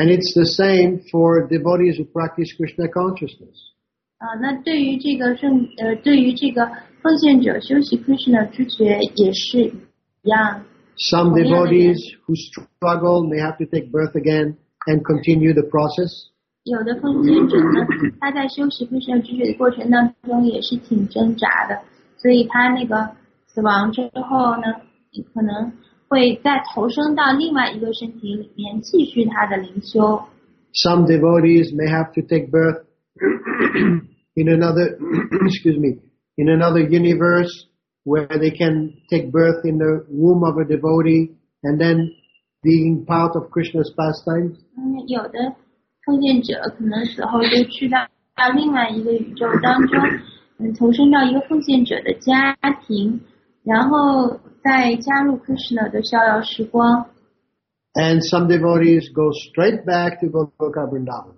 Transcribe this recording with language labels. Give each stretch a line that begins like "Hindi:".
English: And it's the same for devotees who practice Krishna consciousness.
Chinese: 啊，那对于这个圣对于这个奉献者修习 Krishna 知觉也是一样。
English: Some devotees who struggle may have to take birth again and continue the process.
Chinese: 有的奉献者呢，他在修习 Krishna 知觉的过程当中也是挺挣扎的，所以他那个死亡之后呢，可能。会再投生到另外一个身体里面继续他的灵修。
English: Some devotees may have to take birth in another, excuse me, in another universe where they can take birth in the womb of a devotee and then being part of Krishna's pastimes.
Chinese: 有的奉献者可能死后就去到另外一个宇宙当中，投生到一个奉献者的家庭，然后。在加入 Krishna 的逍遥时光。
English: And some devotees go straight back to Goloka Vrindavan.